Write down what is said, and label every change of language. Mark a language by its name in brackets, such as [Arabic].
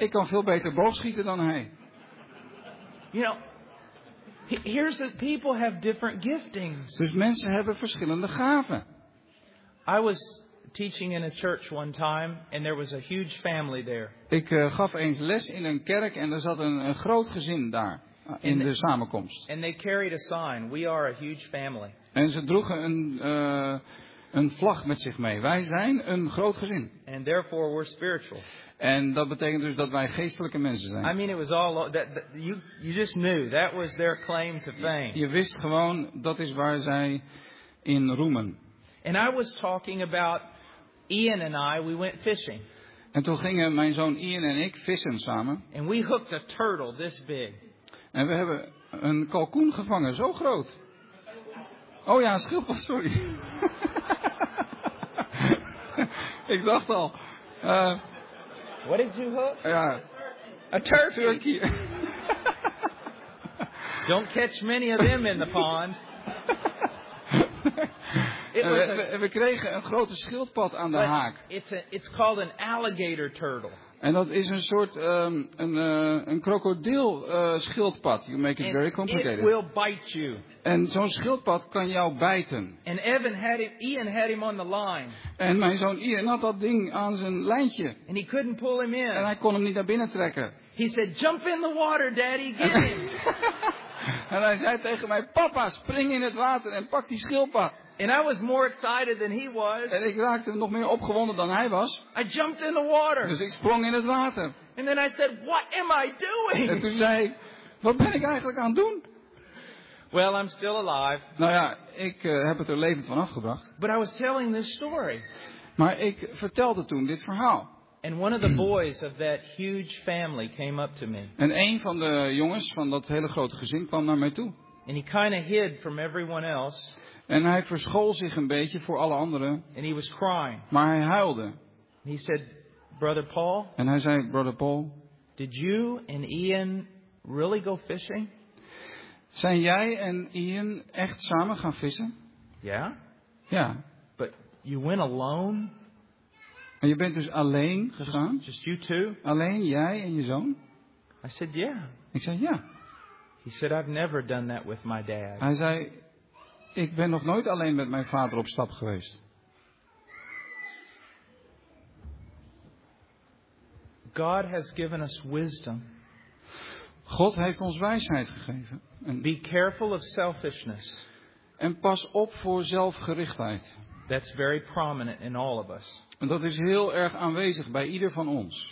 [Dutch] Ik kan veel beter boog schieten dan hij. [English] You know. Here's that people have different giftings. [Dutch] Dus mensen hebben verschillende gaven. [English] I was teaching in a church one time and there was a huge family there. [Dutch] Ik gaf eens les in een kerk en er zat een groot gezin daar in de samenkomst. [English] And they carried a sign, we are a huge family. [Dutch] En ze droegen een vlag met zich mee. Wij zijn een groot gezin. [English] And therefore we're spiritual. [Dutch] En dat betekent dus dat wij geestelijke mensen zijn. [English] I mean it was all that you just knew. That was their claim to fame. [Dutch] Je wist gewoon dat is waar zij in roemen. [English] And I was talking about Ian and I, we went fishing. [Dutch] En toen gingen mijn zoon Ian en ik vissen samen. [English] And we hooked a turtle this big. [Dutch] En we hebben een kalkoen gevangen zo groot. Oh ja, een schildpad, sorry. Ik dacht al. [English] What did you hook? [Dutch] Ja. [English] A turkey. A turkey. Don't catch many of them in the pond. [Dutch] we kregen een grote schildpad aan de haak. [English] It's called an alligator turtle. [Dutch] En dat is een soort een krokodil schildpad. [English] You make it and very complicated. It will bite you. [Dutch] En zo'n schildpad kan jou bijten. [English] And Evan had him, Ian had him on the line. [Dutch] En mijn zoon Ian had dat ding aan zijn lijntje. [English] And he couldn't pull him in. [Dutch] En hij kon hem niet naar binnen trekken. [English] He said, "Jump in the water, Daddy, get him." [Dutch] En hij zei tegen mij, papa, spring in het water en pak die schildpad. [English] And I was more excited than he was. [Dutch] En ik raakte nog meer opgewonden dan hij was. [English] I jumped in the water. [Dutch] Dus ik sprong in het water. [English] And then I said, "What am I doing?" [Dutch] En toen zei ik, wat ben ik eigenlijk aan het doen? [English] Well, I'm still alive. [Dutch] Nou ja, ik heb het er levend van afgebracht. [English] But I was telling this story. [Dutch] Maar ik vertelde toen dit verhaal. [English] And one of the boys of that huge family came up to me. [Dutch] En een van de jongens van dat hele grote gezin kwam naar mij toe. [English] And he kind of hid from everyone else. [Dutch] En hij verschool zich een beetje voor alle anderen. [English] And he was crying. [Dutch] Maar hij huilde. [English] And he said, "Brother Paul." [Dutch] En hij zei, "Brother Paul." [English] "Did you and Ian really go fishing?" [Dutch] Zijn jij en Ian echt samen gaan vissen? Ja. Ja. [English] But you went alone. [Dutch] En je bent dus alleen gegaan? [English] Just you two? [Dutch] Alleen jij en je zoon? [English] I said, yeah. [Dutch] Ik zei ja. [English] He said, "I've never done that with my dad." [Dutch] Hij zei, ik ben nog nooit alleen met mijn vader op stap geweest. [English] God has given us wisdom. [Dutch] God heeft ons wijsheid gegeven. [English] En be careful of selfishness. [Dutch] En pas op voor zelfgerichtheid. [English] That's very prominent in all of us. [Dutch] En dat is heel erg aanwezig bij ieder van ons.